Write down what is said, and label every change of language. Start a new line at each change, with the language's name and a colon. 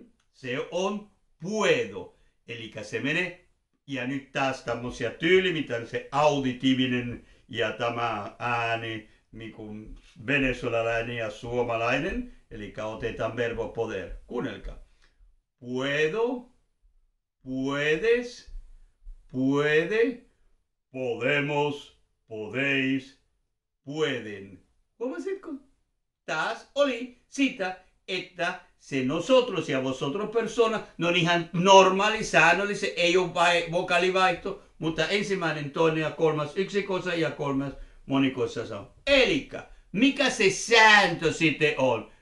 Finnish: Se on puedo, eli se menee, ja nyt taas tämmöisiä tyyli, mitä se auditiivinen ja tämä ääni, niin kuin venezuelalainen ja suomalainen, eli otetaan verbo poder. Kuunnelkaa.
Spanish: Puedo, puedes, puede, podemos, podéis, pueden.
Finnish: Huomasitko? Taas oli sitä, että se nosotros ja vosotros persona, no ihan normaali, säännöllinen, ei ole vokaalivaihto, mutta ensimmäinen, toinen ja kolmas yksikossa ja kolmas monikossa sanoo. Elikkä, mikä se sääntö sitten on?